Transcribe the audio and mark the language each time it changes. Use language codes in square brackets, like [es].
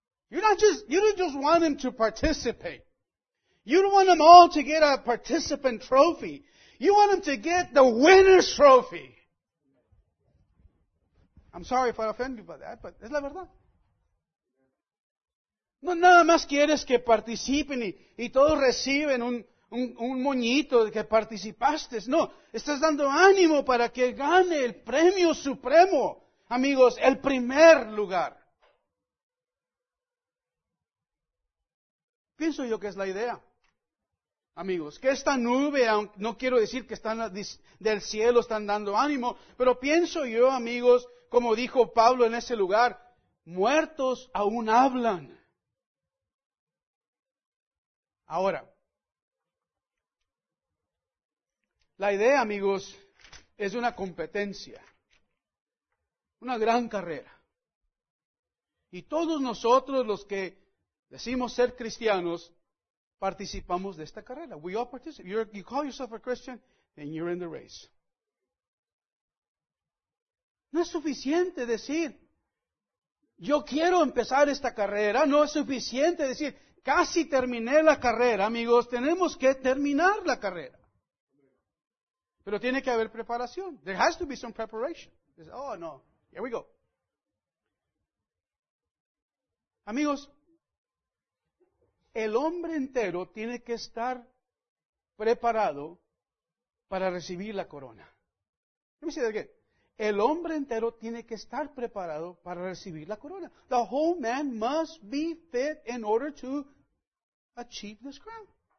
[en] You don't just want him to participate. You don't want them all to get a participant trophy. You want them to get the winner's trophy. I'm sorry if I offend you by that, but [es] es la verdad. No, nada más quieres que participen y todos reciben un moñito de que participaste. No, estás dando ánimo para que gane el premio supremo, amigos, el primer lugar. Pienso yo que es la idea. Amigos, que esta nube, no quiero decir que están del cielo, están dando ánimo, pero pienso yo, amigos, como dijo Pablo en ese lugar, muertos aún hablan. Ahora, la idea, amigos, es una competencia, una gran carrera. Y todos nosotros los que decimos ser cristianos, participamos de esta carrera. [en] We all participate. You call yourself a Christian, then you're in the race. [es] No es suficiente decir, yo quiero empezar esta carrera. No es suficiente decir, casi terminé la carrera, amigos. Tenemos que terminar la carrera. Pero tiene que haber preparación. [en] There has to be some preparation. Oh, no. Here we go. [es] Amigos, el hombre entero tiene que estar preparado para recibir la corona. [en] Let me say that again. [es] El hombre entero tiene que estar preparado para recibir la corona. [en] The whole man must be fit in order to achieve this crown.